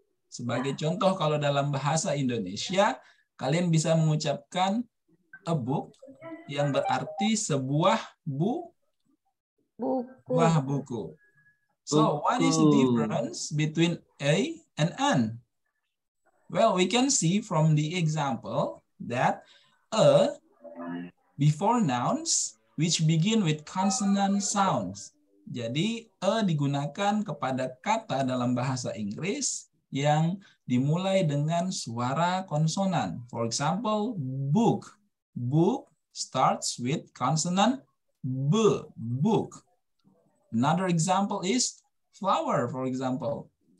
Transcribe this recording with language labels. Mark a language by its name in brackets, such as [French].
[Indonesian] Sebagai contoh, kalau dalam bahasa Indonesia, kalian bisa mengucapkan [English] a book [Indonesian] yang berarti sebuah buku. [English] So, what is the difference between a and an? Well, we can see from the example that a before nouns which begin with consonant sounds. [Indonesian] Jadi a digunakan kepada kata dalam bahasa Inggris yang dimulai dengan suara konsonan. [English] For example, book. Book starts with consonant b. Book. Another example is flower, for example.